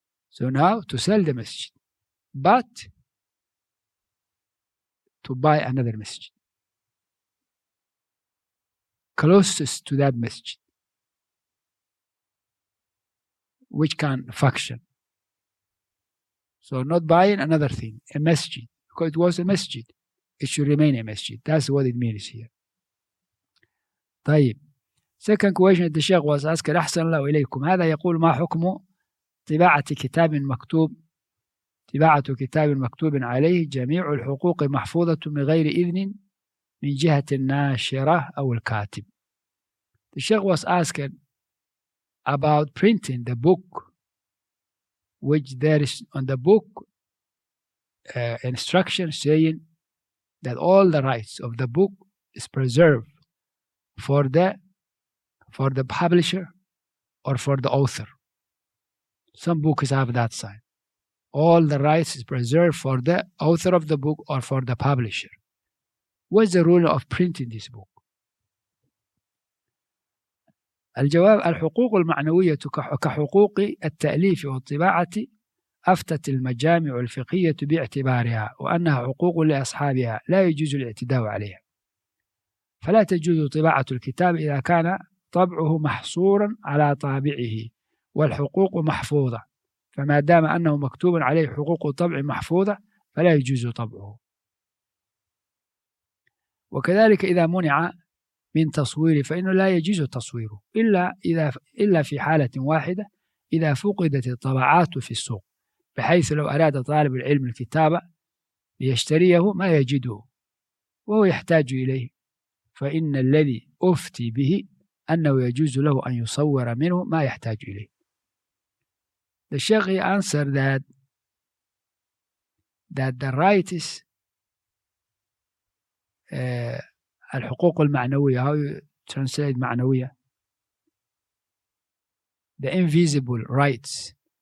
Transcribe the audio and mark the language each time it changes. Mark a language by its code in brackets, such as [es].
[en] So now to sell the masjid, but to buy another masjid closest to that masjid, which can function. So not buying another thing, a masjid, because it was a masjid, it should remain a masjid. That's what it means here. [ar] طيب. [en] Second question the Sheikh was asked, أحسن الله إليكم. [ar] هذا يقول ما حكم طباعة كتاب مكتوب طباعة كتاب مكتوب عليه جميع الحقوق محفوظة من غير إذن من جهة الناشرة أو الكاتب. [en] The Sheikh was asked about printing the book, which there is on the book instruction saying that all the rights of the book is preserved for the publisher or for the author. Some books have that sign. All the rights is preserved for the author of the book or for the publisher. What's the rule of printing this book? [ar] الجواب الحقوق المعنوية كحقوق التأليف والطباعة أفتت المجامع الفقهية باعتبارها وأنها حقوق لأصحابها لا يجوز الاعتداء عليها. فلا تجوز طباعة الكتاب إذا كان طبعه محصورا على طابعه والحقوق محفوظة، فما دام أنه مكتوب عليه حقوق طبع محفوظة فلا يجوز طبعه. وكذلك إذا منع من تصويره فإنه لا يجوز تصويره إلا في حالة واحدة، إذا فقدت الطبعات في السوق، بحيث لو أراد طالب العلم الكتابة ليشتريه ما يجده وهو يحتاج إليه، فإن الذي أفتي به أنه يجوز له أن يصور منه ما يحتاج إليه. [en] The Sheikh answered that the right is الحقوق المعنوية، how you translate معنوية، the invisible rights.